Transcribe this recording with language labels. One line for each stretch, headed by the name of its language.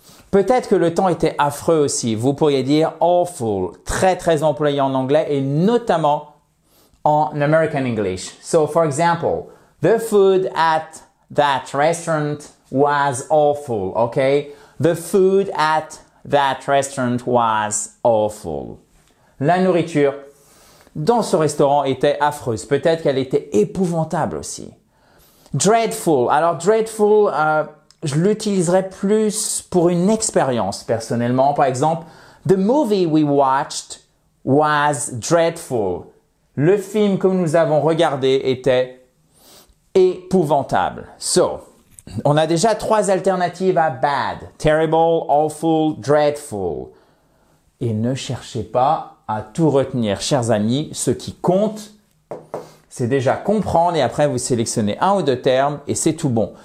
French: Peut-être que le temps était affreux aussi. Vous pourriez dire awful. Très, très employé en anglais et notamment en American English.
English: So, for example, the food at that restaurant was awful, okay? The food at that restaurant was awful.
French: La nourriture dans ce restaurant était affreuse. Peut-être qu'elle était épouvantable aussi. Dreadful. Alors, dreadful, je l'utiliserais plus pour une expérience personnellement. Par exemple,
English: the movie we watched was dreadful.
French: Le film que nous avons regardé était épouvantable. So, on a déjà 3 alternatives à bad. Terrible, awful, dreadful. Et ne cherchez pas à tout retenir, chers amis. Ce qui compte, c'est déjà comprendre et après vous sélectionnez 1 ou 2 termes et c'est tout bon.